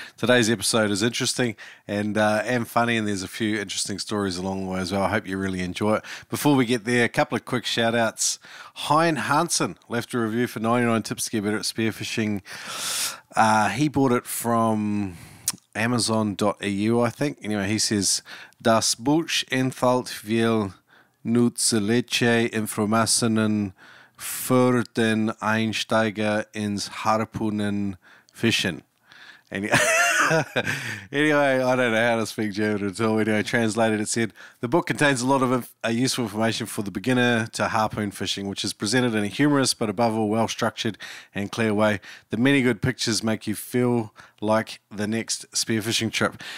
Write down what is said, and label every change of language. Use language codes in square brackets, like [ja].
[en] Today's episode is interesting and funny, and there's a few interesting stories along the way as well. I hope you really enjoy it. Before we get there, a couple of quick shout-outs. Hein Hansen left a review for 99 Tips to Get Better at Spearfishing. He bought it from Amazon.eu, I think. Anyway, he says, [de] Das Buch enthält viel nützliche Informationen für den Einsteiger ins Harpunen Fischen. [en] Anyway, I don't know how to speak German at all. Anyway, translated, it said, the book contains a lot of useful information for the beginner to harpoon fishing, which is presented in a humorous but above all well-structured and clear way. The many good pictures make you feel like the next spearfishing trip.